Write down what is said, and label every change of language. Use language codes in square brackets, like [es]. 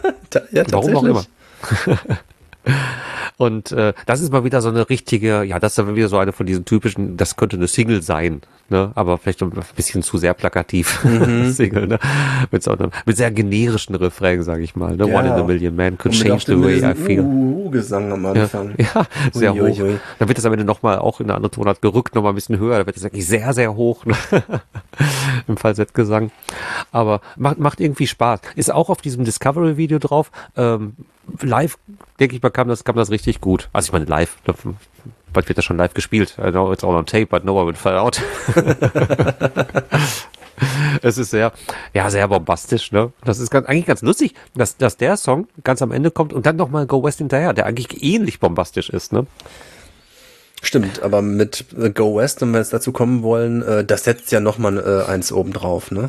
[de] tatsächlich. Warum auch immer. Und das ist mal wieder so eine richtige, ja, das ist wieder so eine von diesen typischen, das könnte eine Single sein, ne? Aber vielleicht ein bisschen zu sehr plakativ. Mhm. Single, ne? Mit so einem, mit sehr generischen Refrain, sag ich mal, ne? Ja. [en] One in a Million Man could change the way I feel. [de] Gesang am Anfang. Ja, ja, sehr hoch. Dann wird das am Ende nochmal auch in eine andere Tonart gerückt, nochmal ein bisschen höher, da wird das wirklich sehr, sehr hoch, ne? Im Falsettgesang. Aber macht irgendwie Spaß. Ist auch auf diesem Discovery-Video drauf. Live, denke ich mal, kam das richtig gut. Also ich meine live, bald wird das schon live gespielt. [en] I know it's all on tape, but no one will fall out. [de] Es ist sehr, ja, sehr bombastisch, ne? Das ist eigentlich ganz lustig, dass der Song ganz am Ende kommt und dann nochmal Go West hinterher, der eigentlich ähnlich bombastisch ist, ne? Stimmt, aber mit Go West, wenn wir jetzt dazu kommen wollen, das setzt ja nochmal eins oben drauf, ne?